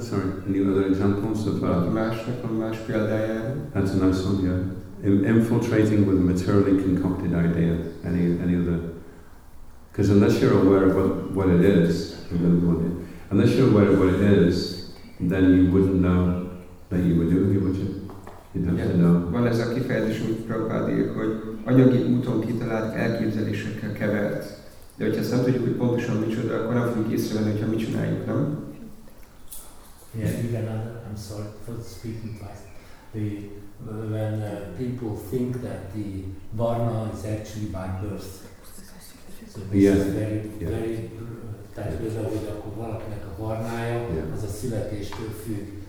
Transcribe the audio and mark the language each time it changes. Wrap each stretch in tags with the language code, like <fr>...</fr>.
<en>Sorry, any other examples of that's a nice one, yeah. Infiltrating with a materially concocted idea. Any other? Because unless you're aware of what it is, unless you're aware of what it is, then you wouldn't know that you were doing it, would you? You'd have to know.</en> <hu>Van ez a kifejezés, amit Prabhupada ír, hogy anyagi úton kitalált elképzelésekkel kevert. De hogyha ezt nem tudjuk, hogy pontosan micsoda, akkor nem fogjuk észrevenni, hogyha mit csináljuk, nem?</hu> <en>Yeah, even other, I'm sorry for speaking twice. When people think that the varna is actually by birth. So this is very, very,</en> <hu>tehát például, hogy akkor valakinek a varnája, az a születéstől függ.</hu>